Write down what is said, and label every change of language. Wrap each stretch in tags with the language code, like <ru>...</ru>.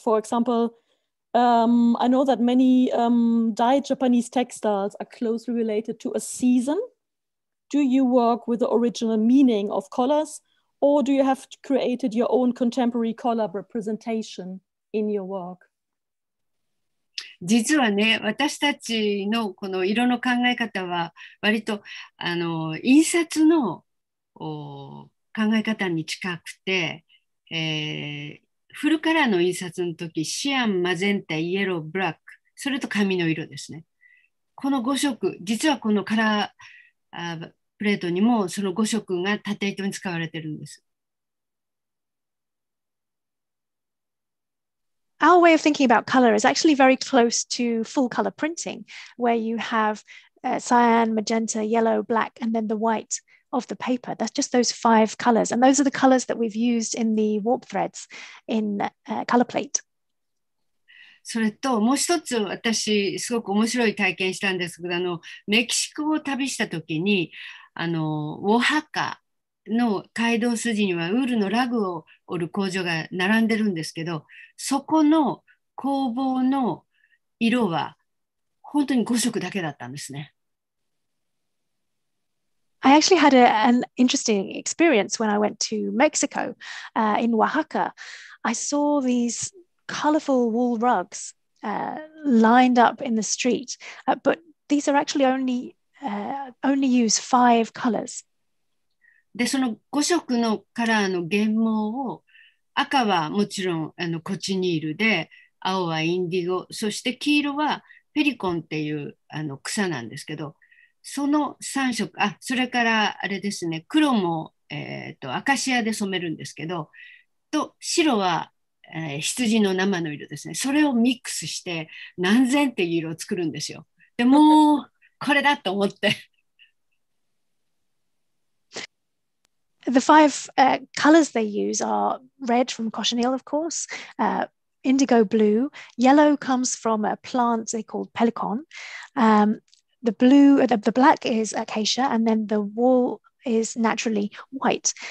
<en>For example, I know that many dyed Japanese textiles are closely related to a season. Do you work with the original meaning of colors, or do you have created your own contemporary color representation in your work?</en> <ja>実はね、私たちのこの色の考え方は割と印刷の考え方に近くて、フルカラーの印刷の時、シアン、マゼンタ、イエロー、ブラック、それと紙の色ですね。この5色、実はこのカラープレートにもその5色が縦糸に使われているんです。</ja> <en>Our way of thinking about color is actually very close to full color printing, where you have cyan, magenta, yellow, black, and then the white of the paper. That's just those five colors. And those are the colors that we've used in the warp threads in color plate.</en> <ja>それともう一つ私すごく面白い体験したんですけど、メキシコを旅した時に、オハカの街道筋にはウールのラグを織る工場が並んでるんですけど、そこの工房の色は本当に5色だけだったんですね。</ja> <en>I actually had an interesting experience when I went to Mexico, in Oaxaca. I saw these colorful wool rugs lined up in the street, but these are actually only use five colors.</en> <ja>で、その5色のカラーの原毛を、赤はもちろんコチニールで、青はインディゴ、そして黄色はペリコンっていう草なんですけど、その3色、それからあれですね、黒も、アカシアで染めるんですけど、と白は、羊の生の色ですね。それをミックスして何千っていう色を作るんですよ。でもうこれだと思って。</ja> <en>The five colors they use are red from cochineal, of course, indigo blue, yellow comes from a plant they call pelican, the black is acacia, and then the wool is naturally white.</en>